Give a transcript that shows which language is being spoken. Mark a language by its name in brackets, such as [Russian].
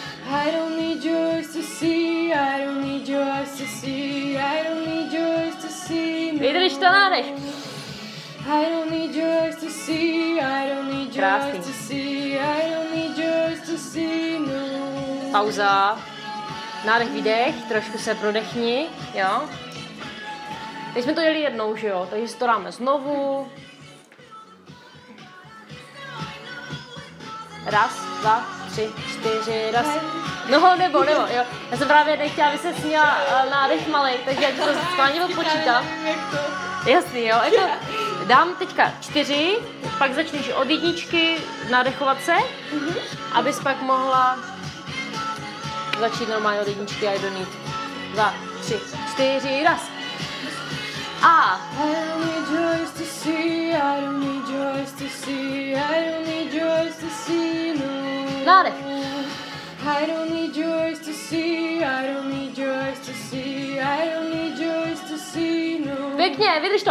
[English] I don't need your eyes to see, I don't need your eyes to see, I don't need your eyes to see, no. [Czech] Vydrž to, nádech! [English] I don't need your eyes to see, I don't need your eyes to see, I don't need your eyes to see, no. [Czech] Pauza. Nádech, výdech, trošku se prodechni, jo? Teď jsme to jeli jednou, že jo? Takže si to dáme znovu. Raz, dva, tři, čtyři, raz. No, nebo, jo. Já jsem právě nechtěla, aby se směla nádech malej, takže já ti to skláně odpočítám. Jasný, jo. Jako dám teďka čtyři, pak začneš od jedničky nádechovat se, abys pak mohla začít normálně od jedničky a do nít. Dva, tři, čtyři, raz. [English] I don't need your eyes to see, I don't need your eyes to see, I don't need your eyes to see, no. [Czech] Nádech. [English] I don't need your eyes to see, I don't need your eyes to see, I don't need your eyes to see, no. [Czech] Pěkně, vydrž to.